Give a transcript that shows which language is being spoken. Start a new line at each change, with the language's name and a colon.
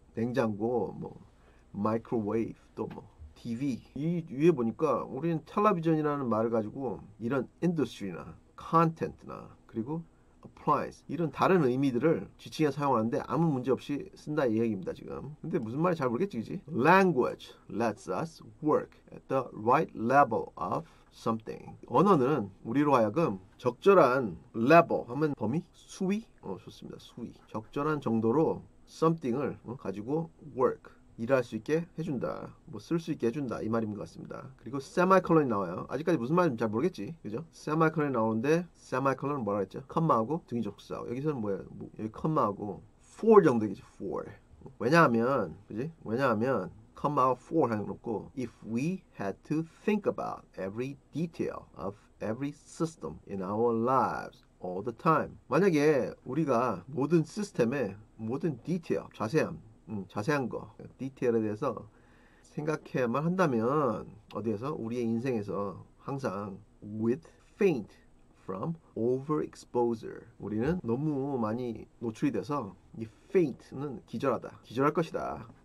Korean: 냉장고, 뭐 microwave 또 뭐. TV 이 위에 보니까 우리는 텔레비전이라는 말을 가지고 이런 인더스트리나 컨텐츠나 그리고 어플라이스 이런 다른 의미들을 지칭해 사용하는데 아무 문제 없이 쓴다 이 얘기입니다 지금. 근데 무슨 말인지 잘 모르겠지 그지?
English: Language lets us work at the right level of something.
Korean: 언어는 우리로 하여금 적절한 level 하면 범위? 수위? 좋습니다. 수위. 적절한 정도로 something을 가지고 work 일할 수 있게 해준다. 뭐, 쓸수 있게 해준다. 이 말인 것 같습니다. 그리고, 세마이콜론이 나와요. 아직까지 무슨 말인지 잘 모르겠지. 그죠? 세마이콜론이 나오는데, 세마이콜론은 뭐라 했죠? 컴마하고, 등이 접속사하고. 여기서는 뭐예요? 뭐, 여기 컴마하고, for 정도 되겠지. for. 왜냐하면, 그지? 왜냐하면, 컴마하고 for 해놓고,
English: if we had to think about every detail of every system in our lives all the time.
Korean: 만약에, 우리가 모든 시스템의 모든 디테일, 자세함, 자세한 거, 디테일에 대해서 생각해야만 한다면 어디에서 우리의 인생에서 항상
English: with faint from overexposure
Korean: 우리는 너무 많이 노출이 돼서 이 faint는 기절하다, 기절할 것이다.